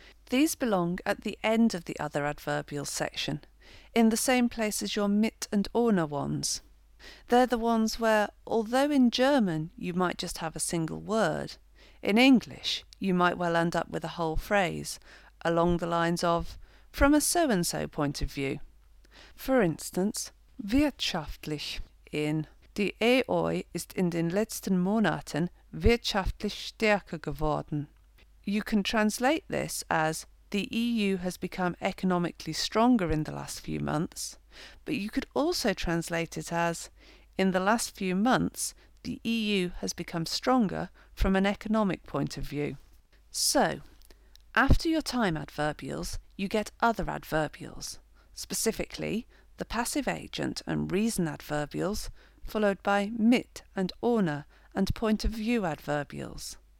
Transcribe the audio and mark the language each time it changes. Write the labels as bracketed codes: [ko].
[en] These belong at the end of the other adverbial section, in the same place as your mit and ohne ones. They're the ones where, although in German you might just have a single word, in English you might well end up with a whole phrase, along the lines of, from a so-and-so point of view. For instance, [de] wirtschaftlich, in die EU ist in den letzten Monaten wirtschaftlich stärker geworden. [en] You can translate this as the EU has become economically stronger in the last few months, but you could also translate it as in the last few months the EU has become stronger from an economic point of view. So, after your time adverbials, you get other adverbials, specifically the passive agent and reason adverbials, followed by mit and ohne and point of view adverbials.